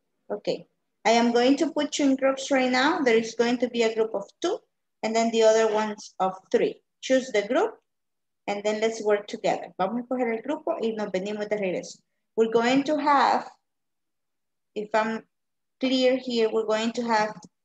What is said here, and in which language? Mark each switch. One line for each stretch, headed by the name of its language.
English: Okay, I am going to put you in groups right now. There is going to be a group of two and then the other ones of three. Choose the group and then let's work together.
Spanish: Vamos a coger el grupo y nos venimos de regreso.
English: We're going to have, if I'm clear here, we're going to have